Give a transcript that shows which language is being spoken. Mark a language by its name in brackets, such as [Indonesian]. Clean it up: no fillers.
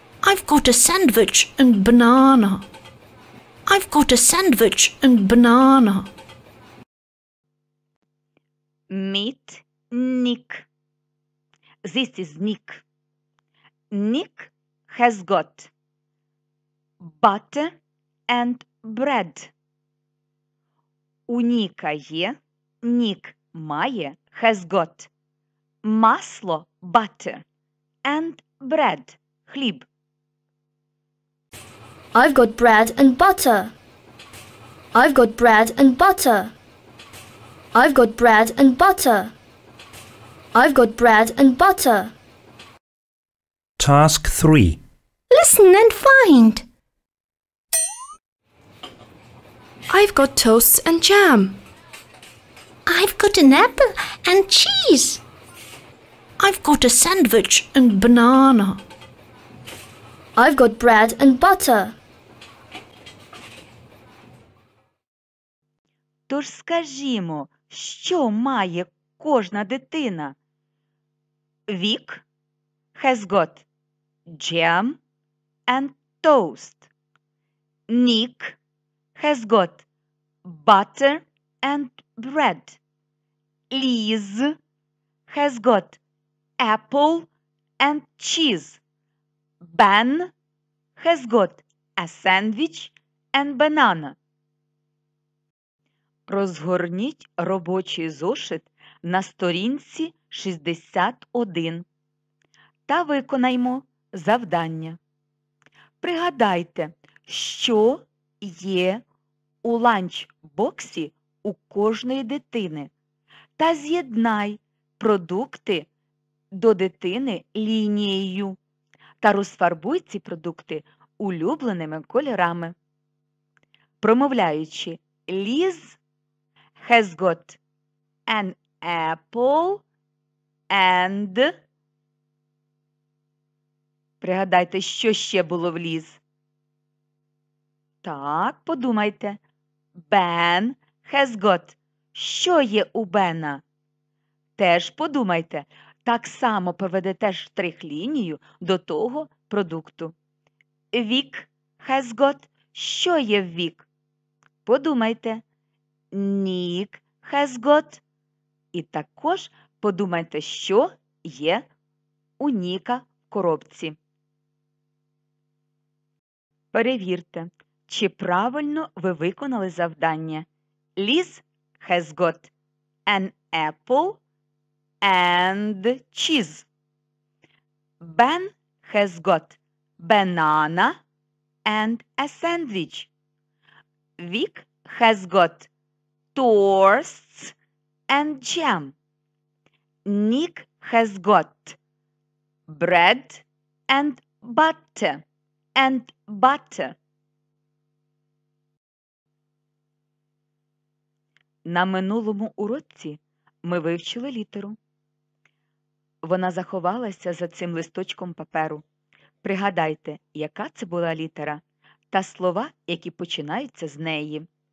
[English] I've got a sandwich and banana. I've got a sandwich and banana. Meet Nick. This is Nick. Nick has got butter and bread. [Ukrainian] У Ніка є, Нік має, [English] has got [Ukrainian] масло, [English] butter, and bread, [Ukrainian] хліб. [English] I've got bread and butter. I've got bread and butter. I've got bread and butter. I've got bread and butter. Task 3. Listen. listen and find. I've got toast and jam. I've got an apple and cheese. I've got a sandwich and banana. I've got bread and butter. [Ukrainian] Тож скажімо, що має кожна дитина? [English] Вік has got jam and toast. Нік has got butter and bread. Ліз has got apple and cheese. Бен has got a sandwich and banana. [Ukrainian] Розгорніть робочий зошит на сторінці 61 та виконаймо завдання. Пригадайте, що є у ланч-боксі у кожної дитини та з'єднай продукти до дитини лінією та розфарбуй ці продукти улюбленими кольорами. Промовляючи [English] «Ліз» has got an apple and... [Ukrainian] Пригадайте, що ще було в Ліз? Так, подумайте. [English] Ben has got... [Ukrainian] Що є у Бена? Теж подумайте. Так само проведете штрих-лінію до того продукту. Вік [English] has got... [Ukrainian] Що є в Вік? Подумайте. [English] Nick has got. [Ukrainian] І також подумайте, що є у Ніка в коробці. Перевірте, чи правильно ви виконали завдання. [English] Liz has got an apple and cheese. Ben has got banana and a sandwich. Vic has got toasts and jam. Nick has got bread and butter. [Ukrainian] На минулому уроці ми вивчили літеру. Вона заховалася за цим листочком паперу. Пригадайте, яка це була літера та слова, які починаються з неї.